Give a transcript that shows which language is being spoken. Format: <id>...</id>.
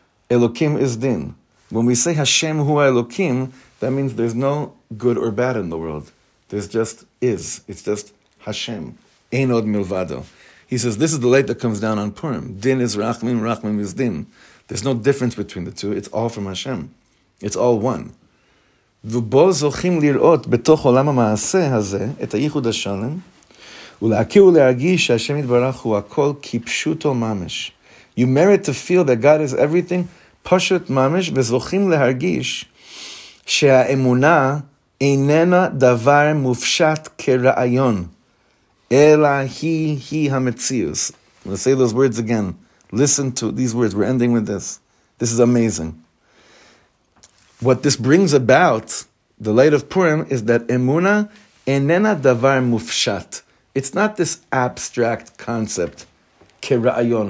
<en>Elokim is din. When we say Hashem Hu HaElokim, that means there's no good or bad in the world. There's just is. It's just Hashem. Ein od milvado. He says this is the light that comes down on Purim. Din is Rachamim, Rachamim is din. There's no difference between the two. It's all from Hashem. It's all one.</en> <he>ובו זוכים לראות בתוך עולם המעשה הזה את הייחוד השלם ולהכיר ולהרגיש שהשם יתברך הוא הכל כפשוטו ממש.</he> <en>You merit to feel that God is everything,</en> <he>פשוט ממש, וזוכים להרגיש שהאמונה איננה דבר מופשט כרעיון, אלא היא המציאות.</he> <en>I'll say those words again. Listen to these words. We're ending with this. This is amazing. What this brings about, the light of Purim, is that</en> <he>emuna enena davar mufshat.</he> <en>It's not this abstract concept, kera'ayon.</en>